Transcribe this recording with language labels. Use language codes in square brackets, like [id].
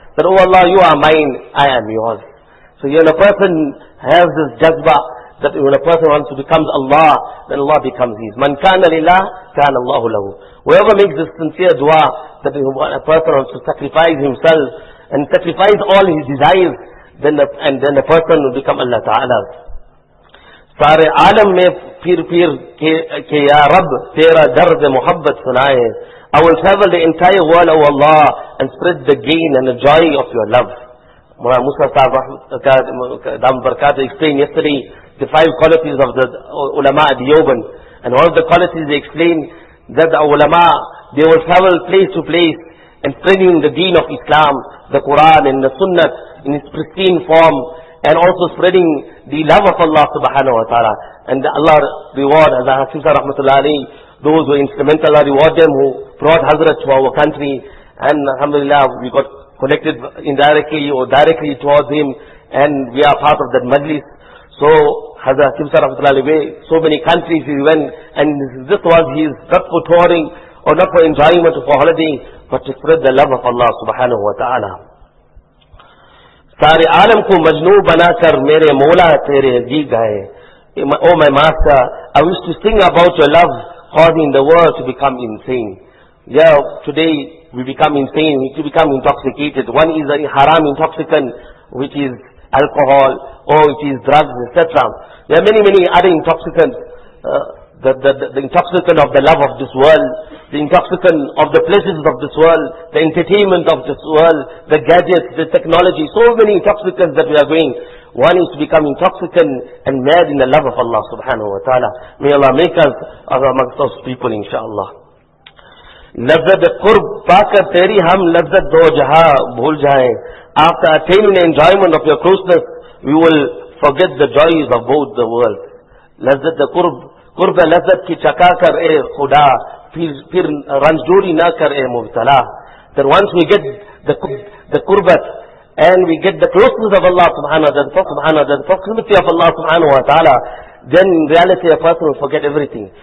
[en] That oh Allah, you are mine, I am yours. So when a person has this jazba, that when a person wants to become Allah, then Allah becomes his. [ar] Man kana lillah, kana Allahu lahu. [en] Whoever makes this sincere dua, that a person wants to sacrifice himself and sacrifice all his desires, then the person will become Allah Ta'ala. [ur] سارے عالم میں پھر پھر کہ یا رب تیرا درد محبت سنائے. [en] I will travel the entire world, O Allah, and spread the gain and the joy of your love. Maulana Musa Sahib دام برکاتہ explained yesterday the five qualities of the ulama Diyoban. And one of the qualities they explained that the ulama, they will travel place to place and spreading the deen of Islam, the Quran and the Sunnah in its pristine form, and also spreading the love of Allah subhanahu wa ta'ala. And Allah reward, as Hasim Sahib rahmatullahi alayhi, those who are instrumental, Allah reward them who brought Hazrat to our country. And alhamdulillah, we got connected indirectly or directly towards him, and we are part of that majlis. So Hazrat Hasim Sahib rahmatullahi alayhi, so many countries he went, and this was his, not for touring, or not for enjoyment or for holiday, but to spread the love of Allah subhanahu wa ta'ala. [ur] سارے عالم کو مجنو بنا کر میرے مولا تیرے جی گائے. [en] Oh my master, I wish to sing about your love, causing the world to become insane. Yeah, today we become insane, we become intoxicated. One is a haram intoxicant, which is alcohol, or it is drugs, etc. There are many, many other intoxicants. The intoxicant of the love of this world, the intoxicant of the pleasures of this world, the entertainment of this world, the gadgets, the technology, so many intoxicants that we are going. One is to become intoxicant and mad in the love of Allah subhanahu wa ta'ala. May Allah make us amongst those people, inshaAllah. [ur] لذت قرب پا کر تیری ہم لذت دو جہاں بھول جائیں. [en] After attaining the enjoyment of your closeness, we will forget the joys of both the world. [ur] لذت قرب, قرب لذت کی چکا کر اے خدا, پھر رنجوری نہ کر اے مبتلا. [en] That once we get the قربت and we get the closeness of Allah subhanahu wa ta'ala, the proximity of Allah subhanahu wa ta'ala, then in reality a person will forget everything.